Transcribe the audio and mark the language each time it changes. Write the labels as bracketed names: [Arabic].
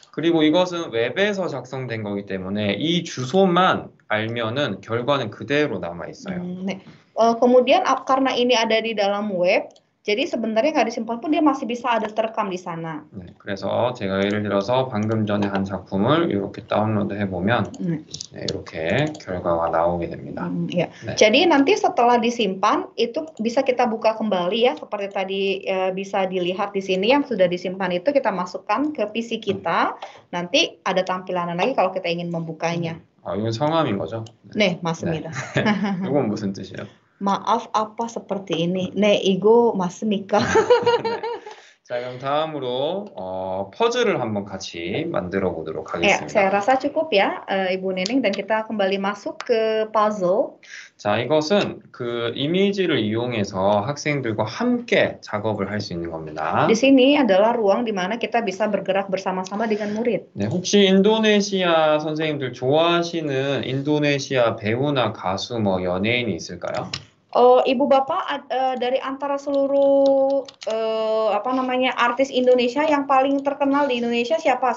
[Korean] 그리고 이것은 웹에서 작성된 거기 때문에 이 주소만 알면은 결과는 그대로 남아 있어요. 네. [Indonesian] Kemudian karena ini ada di dalam web, jadi sebenarnya enggak disimpan pun dia masih bisa ada terekam di sana. [Korean] 네. 그래서 제가 예를 들어서 방금 전에 한 작품을 이렇게 다운로드 해 보면 네, 이렇게 결과가 나오게 됩니다. 예. 네. [Indonesian] Jadi nanti setelah disimpan itu bisa kita buka kembali ya seperti tadi bisa dilihat di sini yang sudah disimpan itu kita masukkan ke PC kita. Nanti ada tampilan lagi kalau kita ingin membukanya. [Korean] 아, 이건 성함인 거죠? 네, 네 맞습니다. 네. 이건 무슨 뜻이에요? [Indonesian] Maaf apa seperti ini? 네, [Korean] 이거 맞습니까? 자, 그럼 다음으로 퍼즐을 한번 같이 만들어 보도록 하겠습니다. [Indonesian] 네, saya rasa cukup ya, Ibu Neneng dan kita kembali masuk ke puzzle. [Korean] 자, 이것은 그 이미지를 이용해서 학생들과 함께 작업을 할 수 있는 겁니다. [Indonesian] Di sini adalah ruang di mana kita bisa bergerak bersama-sama dengan murid. [Korean] 네, 혹시 인도네시아 선생님들 좋아하시는 인도네시아 배우나 가수 뭐 연예인이 있을까요? [Indonesian] Ibu bapak dari antara seluruh apa namanya artis Indonesia yang paling terkenal di Indonesia siapa?